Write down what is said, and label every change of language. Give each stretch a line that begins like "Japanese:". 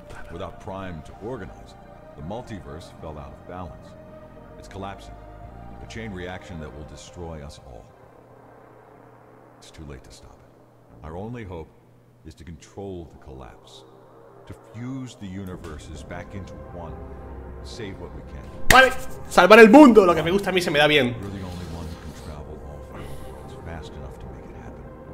English: Without Prime to organize, the multiverse fell out of balance. It's collapsing. A chain reaction that will destroy us all. It's too late to stop it. Our only hope is to control the collapse. To fuse the universes back into one. Save what we can.
Spanish: Vale, salvar el mundo, lo que me gusta a mí se me da bien.
English: You're the only one who can travel all four worlds fast enough to make it happen.